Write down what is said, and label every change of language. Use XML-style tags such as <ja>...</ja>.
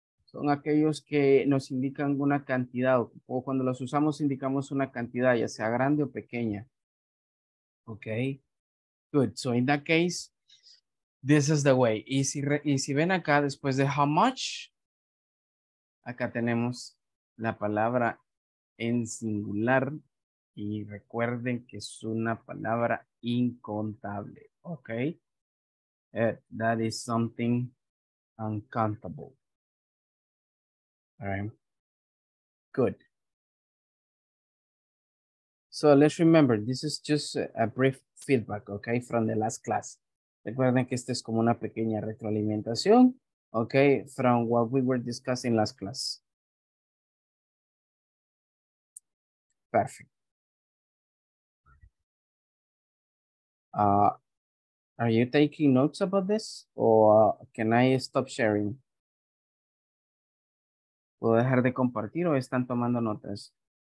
<es>Son aquellos que nos indican una cantidad, o cuando los usamos indicamos una cantidad, ya sea grande o pequeña.</es> <en>Okay, good. So in that case, this is the way.</en> <es>Y si ven acá, después de how much, acá tenemos la palabra en singular. Y recuerden que es una palabra incontable.</es> <en>Okay, that is something uncountable. All right, good. So let's remember, this is just a brief feedback, okay, from the last class.</en> <es>Recuerden que este es como una pequeña retroalimentación, okay,</es> <en>from what we were discussing last class. Perfect. Are you taking notes about this, or can I stop sharing?</en> <es>¿Puedo dejar de compartir o están tomando notas?</es>